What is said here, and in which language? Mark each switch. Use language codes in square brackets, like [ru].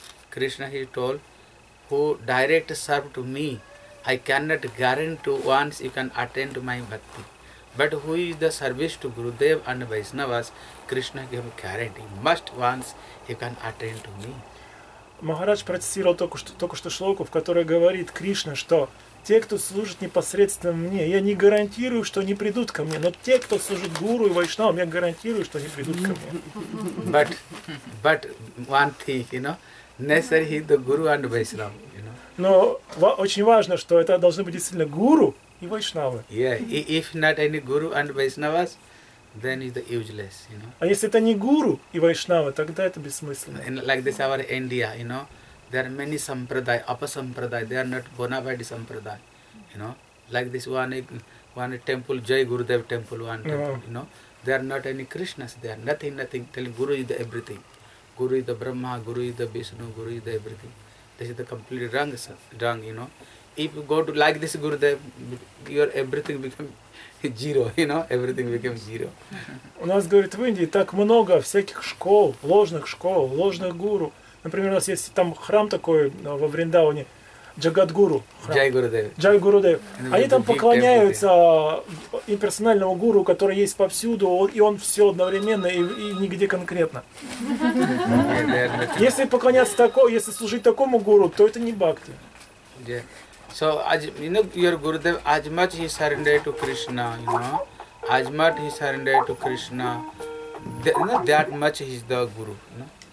[en] Krishna, he told, who direct serve to me, I cannot guarantee once you can attend my bhakti. But who is the service to Gurudev and Vaishnavas, Krishna gave guarantee, must once you can attend to me. [ru] Махарадж процитировал только что шлоку, в которой говорит Кришна, что те, кто служит непосредственно мне, я не гарантирую, что они придут ко мне. Но те, кто служит Гуру и Вайшнавам, я гарантирую, что они придут ко мне. [en] But one thing, necessary is the Guru and Vaishnavam, [ru] Но очень важно, что это должны быть действительно Гуру и Вайшнавы. [en] Yeah, if not any Guru and Vaishnavas, then it's useless, [ru] А если это не Гуру и Вайшнавы, тогда это бессмысленно. [en] And like this our India, There are many sampradaya, apasampradaya, they are not bona fide sampradaya, Like this one temple, Jai Gurudev temple, one temple, They are not any Krishnas, they are nothing, telling Guru is the everything. Guru is the Brahma, Guru is the Vishnu, Guru is the everything. This is the completely wrong, If you go to like this Gurudev, your everything becomes zero, everything becomes zero. [ru] У нас, говорит, в Индии так много всяких школ, ложных гуру. Например, у нас есть там храм такой во Вриндауне, Джагадгуру. Джай Гурудев. Они там поклоняются имперсональному гуру, который есть повсюду, и он все одновременно, и нигде конкретно. Если поклоняться такому, если служить такому гуру, то это не бхакти. [en] So, you know, your Gurudev, as much he surrendered to Krishna, you know, as much he surrendered to Krishna, you know, that much he is the Guru, you know.